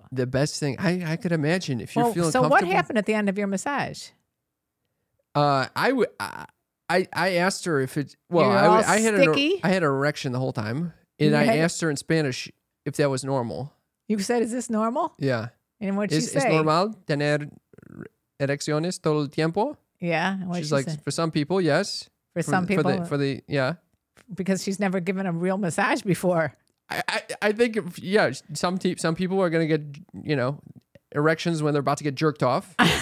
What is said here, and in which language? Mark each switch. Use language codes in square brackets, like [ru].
[en] The best thing. I could imagine if you're feeling so comfortable. So what happened at the end of your massage? I asked her if it well I had sticky? I had an erection the whole time and I asked her in Spanish if that was normal. You said, "Is this normal?" Yeah. And what she say? Is normal [es] tener erecciones todo el tiempo? [en] Yeah. She's like, say? For some people, yes. For some people, for the yeah. Because she's never given a real massage before. I think yeah some people are gonna get you know erections when they're about to get jerked off.